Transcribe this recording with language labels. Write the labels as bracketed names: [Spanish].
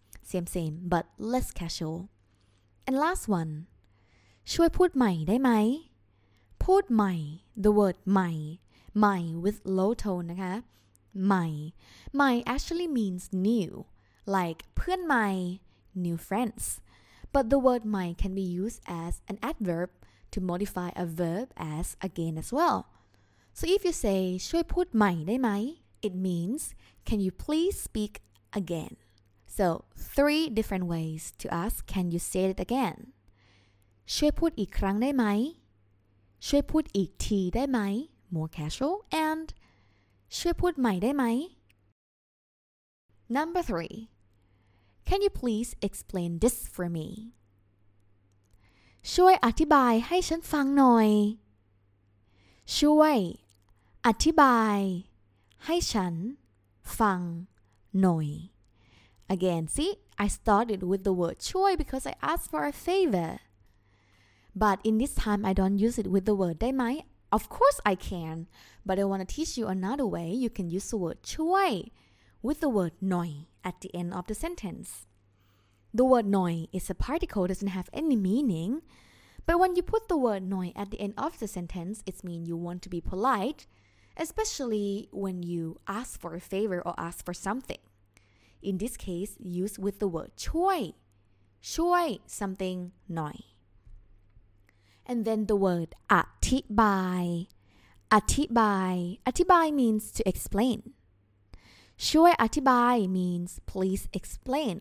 [English] Same, same, but less casual. And last one, [Thai] ช่วยพูดใหม่ได้ไหม พูดใหม่ [English] the word ใหม่ ใหม่ with low tone นะคะใหม่ actually means new, like เพื่อนใหม่ new friends. But the word ใหม่ can be used as an adverb to modify a verb as again as well. So if you say [Thai] ช่วยพูดใหม่ได้ไหม [English] it means can you please speak again. So three different ways to ask can you say it again. [Thai] ช่วยพูดอีกครั้งได้ไหม ช่วยพูดอีกทีได้ไหม [English] more casual and [Thai] ช่วยพูดใหม่ได้ไหม [English] Number 3 Can you please explain this for me? [Thai] ช่วยอธิบายให้ฉันฟังหน่อยช่วยอธิบายให้ฉันฟังหน่อย [English] Again, see, I started with the word ช่วย because I asked for a favor. But in this time, I don't use it with the word ได้ไหมOf course I can, but I want to teach you another way. You can use the word ช่วย with the word หน่อย at the end of the sentence. The word หน่อย is a particle, doesn't have any meaning. But when you put the word หน่อย at the end of the sentence, it means you want to be polite, especially when you ask for a favor or ask for something. In this case, use with the word ช่วย. ช่วย something หน่อยAnd then the word อธิบายอธิบายอธิบาย means to explain. ช่วยอธิบาย means please explain.